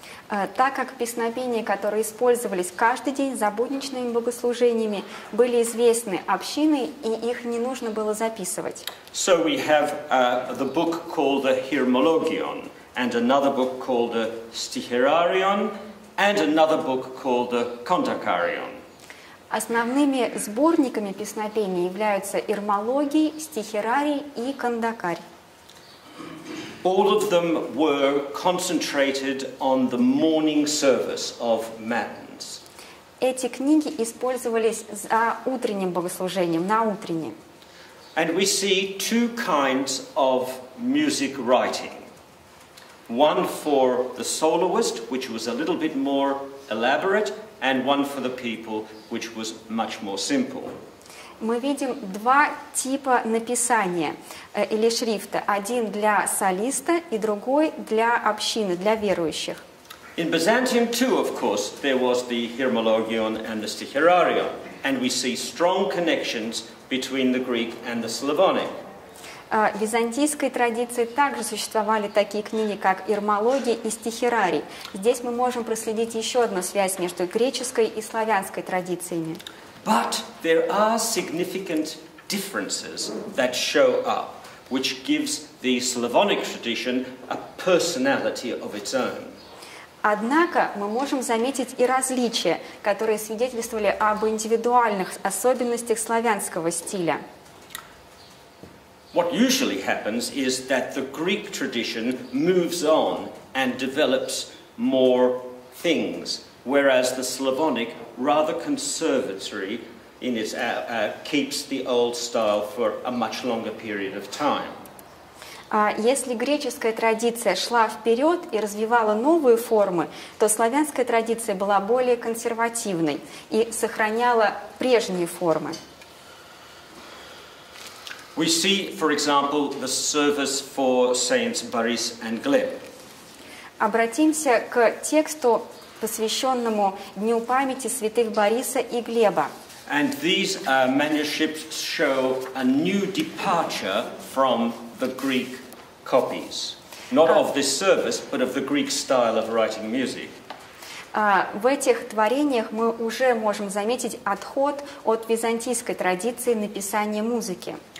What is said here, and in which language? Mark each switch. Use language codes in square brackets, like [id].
[ru] Так как песнопения, которые использовались каждый день за будничными богослужениями, были известны общиной, и их не нужно было записывать. [en] So we have the book called the Hymnologion, and another book called the Stihirarion, and another book called the Kontakarion. [ru] Основными сборниками песнопений являются Ирмологий, Стихирарий и Кандакарий. [en] All of them were concentrated on the morning service of matins. [ru] Эти книги использовались за утренним богослужением, на утренне. [en] And we see two kinds of music writing. One for the soloist, which was a little bit more elaborate, and one for the people, which was much more simple. [ru] Мы видим два типа написания или шрифта. Один для солиста и другой для общины, для верующих. [en] In Byzantium too, of course, there was the Hymnologion and the Stihirarion. And we see strong connections between the Greek and the Slavonic. [ru] В византийской традиции также существовали такие книги, как Ирмологий и Стихирарий. Здесь мы можем проследить еще одну связь между греческой и славянской традициями. [en] But there are significant differences that show up, which gives the Slavonic tradition a personality of its own. [ru] Однако мы можем заметить и различия, которые свидетельствовали об индивидуальных особенностях славянского стиля. [en] What usually happens is that the Greek tradition moves on and develops more things, whereas the Slavonic, rather conservatory in its keeps the old style for a much longer period of time. [ru] Если греческая традиция шла вперед и развивала новые формы, то славянская традиция была более консервативной и сохраняла прежние формы. [en] We see, for example, the service for Saints Boris and Gleb. [ru] Обратимся к тексту, посвященному Дню памяти святых Бориса и Глеба. [en] And these manuscripts show a new departure from the Greek copies, not of this service, but of the Greek style of writing music. [ru] В этих творениях мы уже можем заметить отход от византийской традиции написания музыки.